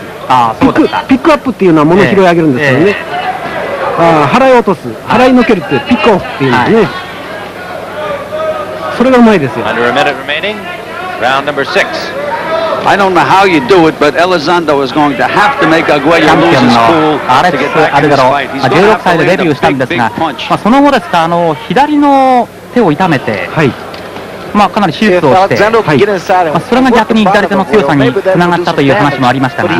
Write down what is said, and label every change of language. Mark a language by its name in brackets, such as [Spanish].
[Japanese] ピックアップっていうのは物を拾い上げるんですけどね、払い落とす、払いのけるってピックオフっていうんですね、はい、そそれがうまいですよ。 [English] Under a minute remaining, round number six. I don't know how you do it, but Elizondo is going to have to make Aguayo lose his cool to get back in his fight. He's going to have to land a big, big punch. [Japanese] まあ、その後ですか、左の手を痛めて、はい、まあ、かなり手術をして、はい、まあ、それが逆に左手の強さにつながったという話もありましたが、